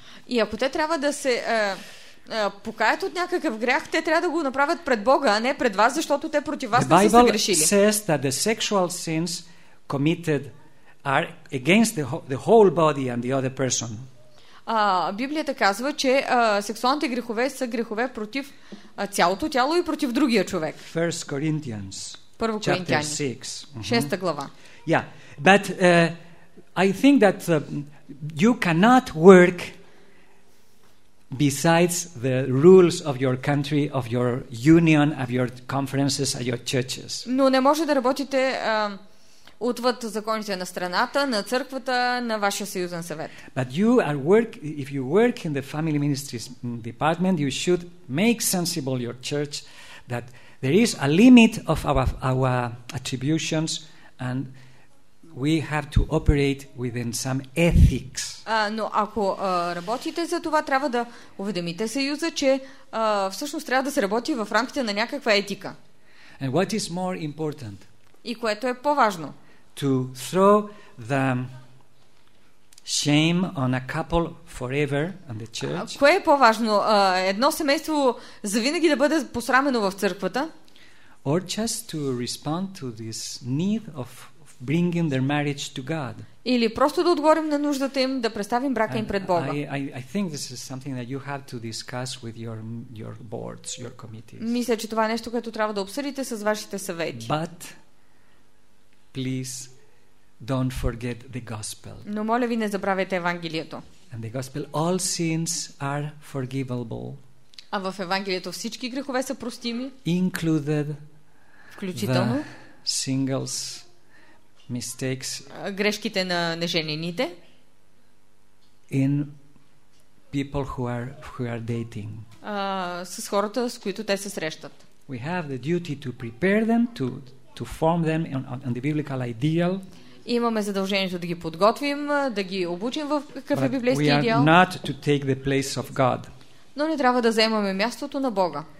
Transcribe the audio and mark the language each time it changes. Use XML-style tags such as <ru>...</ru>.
<bg>И ако те трябва да се покаят от някакъв грях, те трябва да го направят пред Бога, а не пред вас, защото те против вас не са грешили.</bg> <en>The Bible says that the sexual sins committed are against the whole body and the other person.</en> <bg>Библията казва, че сексуалните грехове са грехове против цялото тяло и против другия човек.</bg> <en>1 Corinthians.</en> <bg>1 Коринтияни. 6 глава.</bg> <en>Yeah. But I think that you cannot work besides the rules of your country, of your union, of your conferences, of your churches.</en> <bg>Но не може да работите отвъд законите на страната, на църквата, на вашия съюзен съвет.</bg> <en>But you are work, if you work in the family ministries department, you should make sensible your church that there is a limit of our attributions and we have to operate within some ethics.</en> <bg>Но ако работите за това, трябва да уведомите съюза, че всъщност трябва да се работи в рамките на някаква етика.</bg> <en>And what is more important?</en> <bg>И което е по-важно?</bg> <en>To throw the shame on a couple forever and the church.</en> <bg>Кое е по-важно? Едно семейство завинаги да бъде посрамено в църквата?</bg> <en>Or just to respond to this need of bringing their marriage to God.</en> <bg>Или просто да отговорим на нуждата им, да представим брака им пред Бога.</bg> <en>I think this is something that you have to discuss with your boards, your committees.</en> <bg>Мисля, че това е нещо, което трябва да обсъдите с вашите съвети.</bg> <en>But please don't forget the gospel.</en> <bg>Но моля ви, не забравяйте Евангелието.</bg> <en>And the gospel, all sins are forgivable.</en> <bg>А в Евангелието всички грехове са простими.</bg> <en>Included,</en> <bg>включително</bg> <en>the singles, mistakes,</en> <bg>грешките на неженените</bg> <en>in people who are dating.</en> <bg>С хората, с които те се срещат.</bg> <en>We have the duty to prepare them to form them on the biblical ideal.</en> <bg>Имаме задължението да ги подготвим, да ги обучим в какъв</bg> <en>But</en> <bg>е библейски идеал.</bg> <en>We are not to take the place of God.</en> <bg>Но не трябва да заемаме мястото на Бога.</bg>